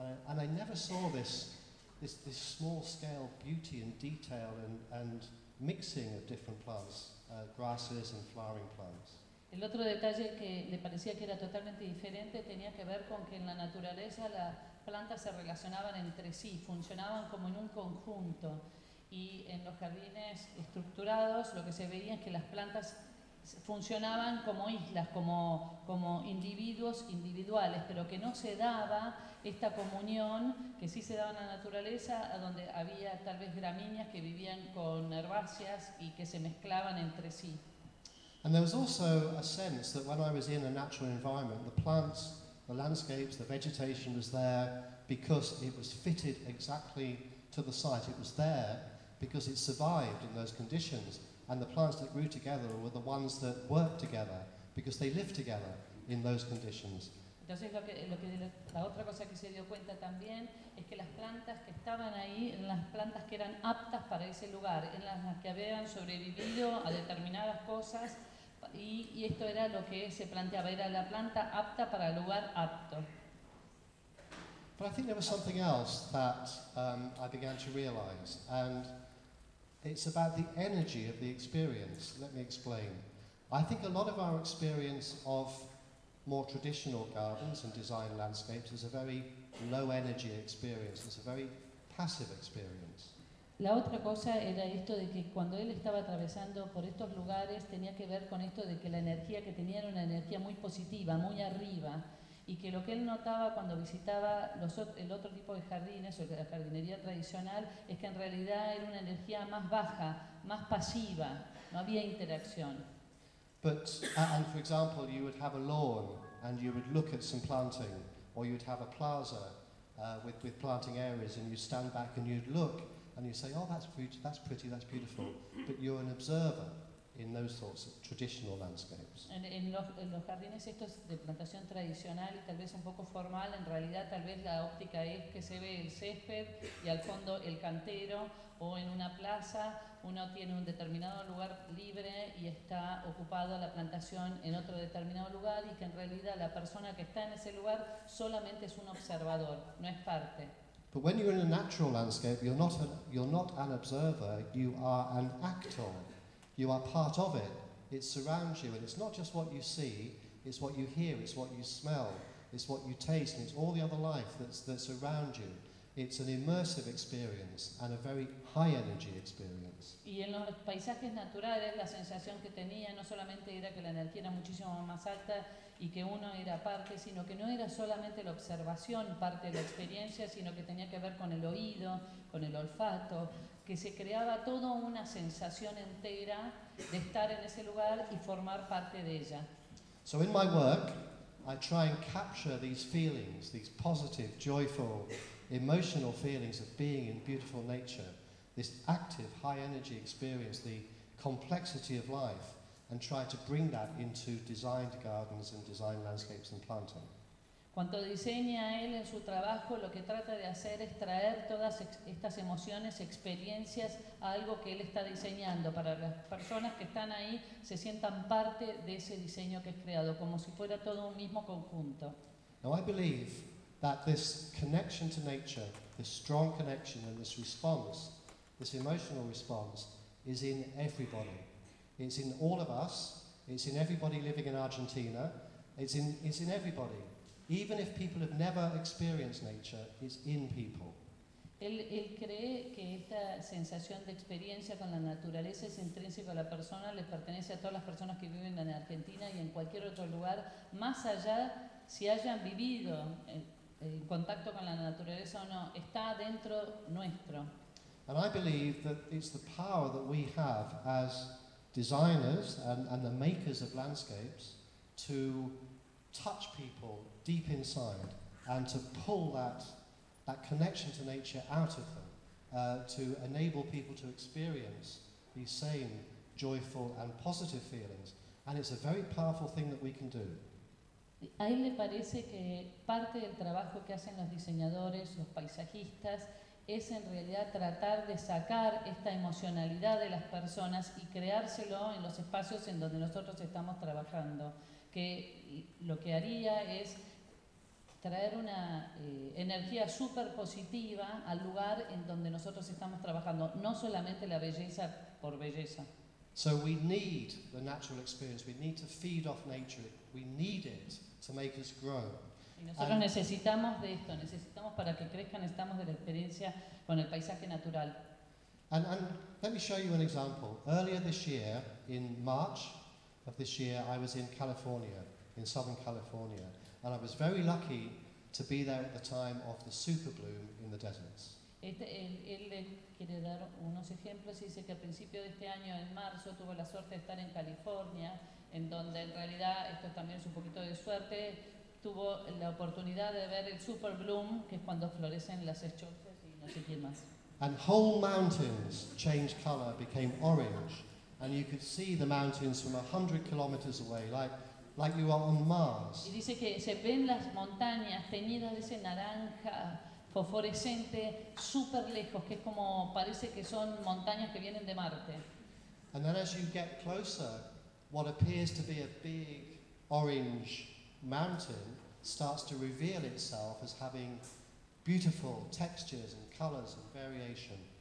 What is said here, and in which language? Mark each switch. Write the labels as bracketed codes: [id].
[en] And I never saw this small-scale beauty and detail and mixing of different plants, grasses and flowering plants. [es] El otro detalle que le parecía que era totalmente diferente tenía que ver con que en la naturaleza las plantas se relacionaban entre sí, funcionaban como en un conjunto. Y en los jardines estructurados lo que se veía es que las plantas funcionaban como islas, como individuos individuales, pero que no se daba esta comunión que sí se daba en la naturaleza, donde había tal vez gramíneas que vivían con herbáceas y que se mezclaban entre sí. [en] And there was also a sense that when I was in a natural environment, the plants, the landscapes, the vegetation was there because it was fitted exactly to the site. It was there because it survived in those conditions. And the plants that grew together were the ones that worked together because they lived together in those conditions. [es] Entonces la otra cosa que se dio cuenta también es que las plantas que estaban ahí eran las plantas que eran aptas para ese lugar, en las que habían sobrevivido a determinadas cosas y esto era lo que se planteaba, era la planta apta para el lugar apto. [en] But I think there was something else that I began to realize, and it's about the energy of the experience. Let me explain. I think a lot of our experience of more traditional gardens and design landscapes is a very low energy experience. It's a very passive experience. [es] La otra cosa era esto de que cuando él estaba atravesando por estos lugares tenía que ver con esto de que la energía que tenía era una energía muy positiva, muy arriba, y que lo que él notaba cuando visitaba el otro tipo de jardines o la jardinería tradicional es que en realidad era una energía más baja, más pasiva, no había interacción. [en] But and for example, you would have a lawn and you would look at some planting, or you'd have a plaza with planting areas, and you stand back and you'd look and you say, oh, that's pretty, that's beautiful. But you're an observer in those sorts of traditional landscapes. [es] En los jardines estos de plantación tradicional y tal vez un poco formal, en realidad tal vez la óptica es que se ve el césped y al fondo el cantero, o en una plaza uno tiene un determinado lugar libre y está ocupado la plantación en otro determinado lugar, y que en realidad la persona que está en ese lugar solamente es un observador, no es parte. [en] But when you're in a natural landscape, you're not an observer, you are an actor. You are part of it. It surrounds you, and it's not just what you see, it's what you hear, it's what you smell, it's what you taste, and it's all the other life that's around you. It's an immersive experience and a very high energy experience. [es] Y en los paisajes naturales la sensación que tenía no solamente era que la energía era muchísimo más alta y que uno era parte, sino que no era solamente la observación parte de la experiencia, sino que tenía que ver con el oído, con el olfato, que se creaba toda una sensación entera de estar en ese lugar y formar parte de ella. [en] So in my work, I try and capture these feelings, these positive, joyful, emotional feelings of being in beautiful nature, this active, high energy experience, the complexity of life, and try to bring that into designed gardens and designed landscapes and planting. [es] Cuando diseña él en su trabajo, lo que trata de hacer es traer todas estas emociones, experiencias, a algo que él está diseñando, para que las personas que están ahí se sientan parte de ese diseño que es creado, como si fuera todo un mismo conjunto. [en] Now I believe that this connection to nature, this strong connection and this response, this emotional response, is in everybody. It's in all of us, it's in everybody living in Argentina, it's in everybody. Even if people have never experienced nature, it's in people. [es] Él cree que esta sensación de experiencia con la naturaleza es intrínseca a la persona, le pertenece a todas las personas que viven en Argentina y en cualquier otro lugar, más allá si hayan vivido en contacto con la naturaleza o no, está dentro nuestro. [en] And I believe that it's the power that we have as designers and the makers of landscapes to touch people deep inside and to pull that connection to nature out of them, to enable people to experience these same joyful and positive feelings. And it's a very powerful thing that we can do. [es] A él le parece que parte del trabajo que hacen los diseñadores, los paisajistas, es en realidad tratar de sacar esta emocionalidad de las personas y creárselo en los espacios en donde nosotros estamos trabajando. Que lo que haría es traer una energía súper positiva al lugar en donde nosotros estamos trabajando, no solamente la belleza por belleza. [en] So we need the natural experience, we need to feed off nature, we need it to make us grow. [es] Y nosotros necesitamos de esto, necesitamos para que crezca, necesitamos de la experiencia con el paisaje natural. [en] And let me show you an example. Earlier this year, in March, of this year, I was in California, in Southern California, and I was very lucky to be there at the time of the super bloom in the deserts. [es] Él le quiere dar unos ejemplos y dice que a principio de este año, en marzo, tuvo la suerte de estar en California, en donde en realidad, esto también es un poquito de suerte, tuvo la oportunidad de ver el super bloom, que es cuando florecen las echotes y no sé qué más. [en] And whole mountains changed color, became orange, and you could see the mountains from 100 kilometers away, like you are on Mars. [es] Y dice que se ven las montañas teñidas de ese naranja fosforescente super lejos, que es como parece que son montañas que vienen de Marte. [en] And then as you get closer, what appears to be a big orange mountain starts to reveal itself as having beautiful textures and colors and variation.